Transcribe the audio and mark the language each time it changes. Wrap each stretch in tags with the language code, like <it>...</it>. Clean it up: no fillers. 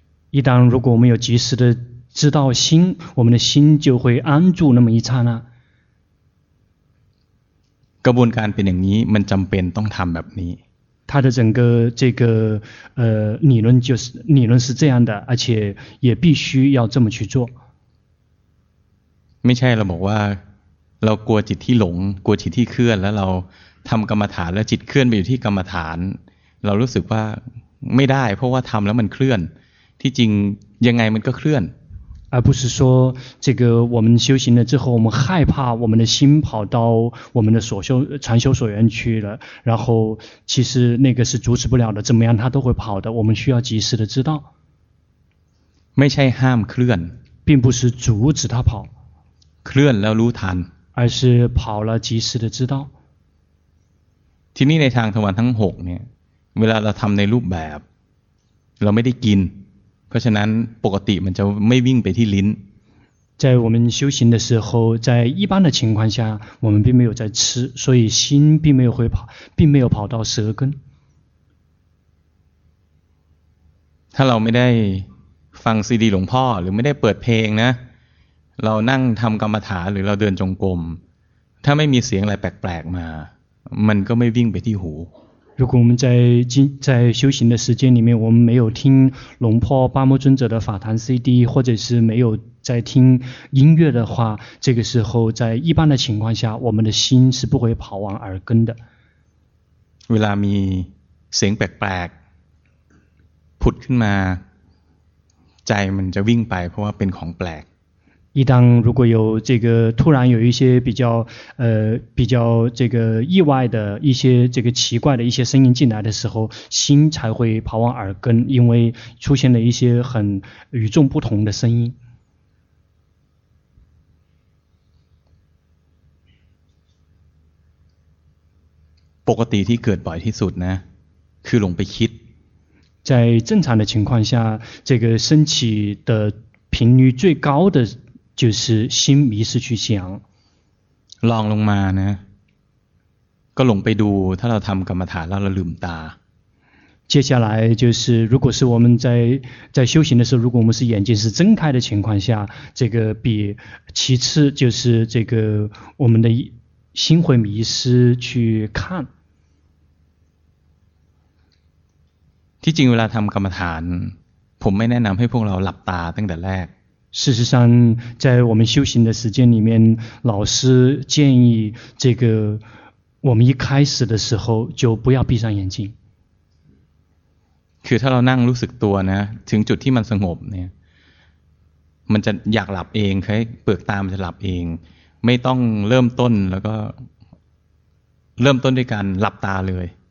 <zh>一旦如果我们有及时的知道心我们的心就会安住那么一刹那</zh> <th>กระบวนการเป็นอย่างนี้มันจำเป็นต้องทำแบบนี้</th> <zh>它的整个这个理论就是理论是这样的而且也必须要这么去做</zh> <th>ไม่ใช่เราบอกว่าเรากลัวจิตที่หลงกลัวจิตที่เคลื่อนแล้วเราทำกรรมฐานแล้วจิตเคลื่อนไปอยู่ที่กรรมฐานเรารู้สึกว่าไม่ได้เพราะว่าทำแล้วมันเคลื่อนที่จริงยังไงมันก็เคลื่อน</th> <zh>而不是说这个我们修行了之后我们害怕我们的心跑到我们的所修禅修所缘去了然后其实那个是阻止不了的怎么样它都会跑的我们需要及时的知道</zh> <th>ไม่ใช่ห้ามเคลื่อน</th> <zh>并不是阻止它跑</zh> <th>เคลื่อนแล้วรู้ทัน</th> <zh>而是跑了及时的知道</zh> <th>ที่นี่ในทางทวารทั้ง6เนี่ยเวลาเราทำในรูปแบบเราไม่ได้กินเพราะฉะนั้นปกติมันจะไม่วิ่งไปที่ลิ้น</th> <zh>在我们修行的时候在一般的情况下我们并没有在吃所以心并没有会跑并没有跑到舌根</zh> <th>ถ้าเราไม่ได้ฟังซีดีหลวงพ่อหรือไม่ได้เปิดเพลงนะเรานั่งทำกรรมฐานหรือเราเดินจงกรมถ้าไม่มีเสียงอะไรแปลกๆมามันก็ไม่วิ่งไปที่หู</th> <zh>如果我们 在修行的时间里面我们没有听龙婆八摩尊者的法坛 CD 或者是没有在听音乐的话这个时候在一般的情况下我们的心是不会跑往耳根的</zh> <th>เวลามีเสียงแปลกๆผุดขึ้นมาใจมันจะวิ่งไปเพราะว่าเป็นของแปลก</th> <zh>一旦如果有这个突然有一些比较这个意外的一些这个奇怪的一些声音进来的时候心才会跑往耳根因为出现了一些很与众不同的声音</zh> <th>ปกติที่เกิดบ่อยที่สุดนะ คือหลงไปคิด</th> <zh>在正常的情况下这个升起的频率最高的就是心迷失去想</zh> <th>ลองลงมานะก็หลงไปดูถ้าเราทำกรรมฐานแล้วเราลืมตา</th> <zh>接下来就是如果是我们在修行的时候如果我们是眼睛是睁开的情况下这个比其次就是这个我们的心会迷失去看</zh> <th>ที่จริงเวลาทำกรรมฐานผมไม่แนะนำให้พวกเราหลับตาตั้งแต่แรก</th> <zh>事实上在我们修行的时间里面老师建议这个我们一开始的时候就不要闭上眼睛</zh> <th>คือถ้าเรานั่งรู้สึกตัวนะถึงจุดที่มันสงบเนี่ยมันจะอยากหลับเองใครเปิดตามันจะหลับเองไม่ต้องเริ่มต้นแล้วก็เริ่มต้นด้วยการหลับตาเลย</th>